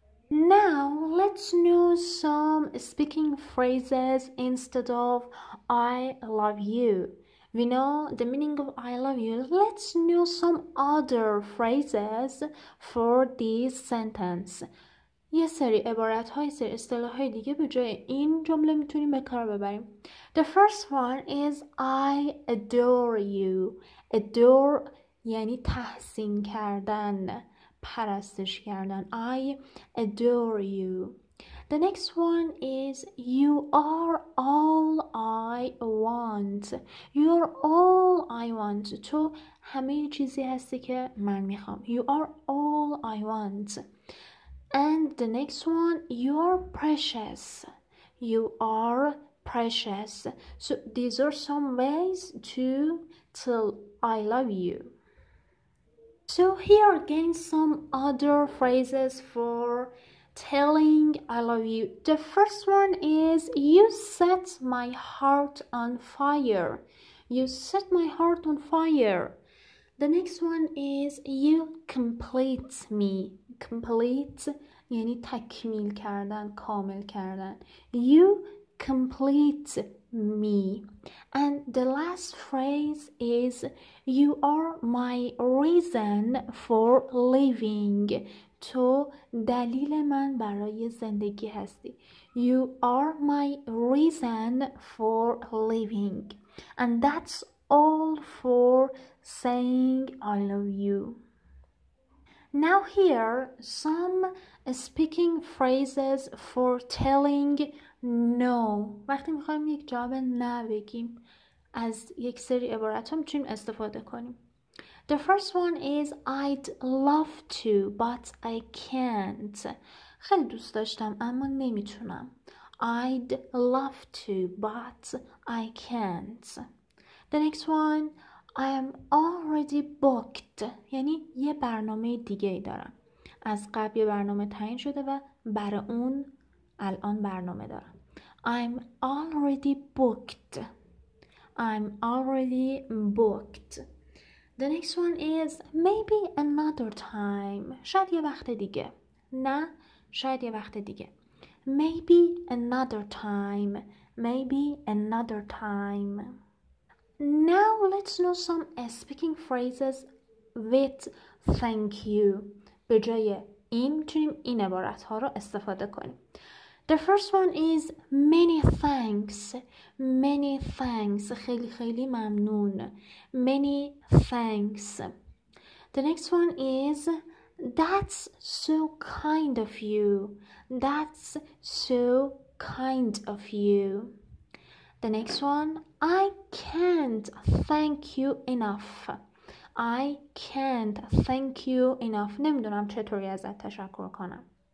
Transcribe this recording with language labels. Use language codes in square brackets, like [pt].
[en] Now, let's know some speaking phrases instead of I love you. We know the meaning of I love you. Let's know some other phrases for this sentence. [fa] یه سری عبارت های سری اصطلاح های دیگه به جای این جمله میتونیم به کار ببریم. [en] The first one is I adore you. [fa] Adore یعنی تحسین کردن، پرستش کردن. [en] I adore you. The next one is you are all I want. You're all I want. [fa] تو همه چیزی هستی که من میخوام. [en] You are all I want. And the next one, you're precious. You are precious. So these are some ways to tell I love you. So here again, some other phrases for telling I love you. The first one is you set my heart on fire. You set my heart on fire. The next one is you complete me. [fa] Complete یعنی تکمیل کردن، کامل کردن. [en] You complete me. And the last phrase is you are my reason for living. [fa] تو دلیل من برای زندگی هستی. [en] You are my reason for living. And that's all for saying I love you. Now here, some speaking phrases for telling no. [fa] وقتی میخوایم یک جواب نه بگیم، از یک سری عبارت ها میتونیم استفاده کنیم. [en] The first one is, I'd love to, but I can't. [fa] خیلی دوست داشتم، اما نمیتونم. [en] I'd love to, but I can't. The next one, I am already booked. [fa] یعنی یه برنامه دیگه ای دارم. از قبل یه برنامه تعیین شده و برای اون الان برنامه دارم. [en] I'm already booked. I'm already booked. The next one is maybe another time. [fa] شاید یه وقت دیگه. نه، شاید یه وقت دیگه. [en] Maybe another time. Maybe another time. Now let's know some speaking phrases with thank you. [fa] به جای این میتونیم این عبارت ها رو استفاده کنیم. [en] The first one is many thanks. Many thanks. [fa] خیلی خیلی ممنون. [en] Many thanks. The next one is that's so kind of you. That's so kind of you. The next one, I can't thank you enough. I can't thank you enough. [fa] نمیدونم چطوری ازت تشکر کنم.